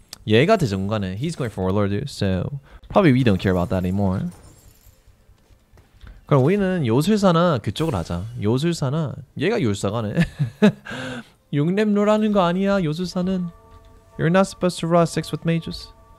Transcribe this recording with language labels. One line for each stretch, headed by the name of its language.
Korean: 얘가 대전관에
English: he's going for warlord dude, so probably we don't care about that anymore.
Korean: 그럼 우리는 요술사나 그쪽을 하자. 요술사나 얘가 요술사가네. 육렙로라는 거 아니야 요술사는.
English: You're not supposed to roll six with mages.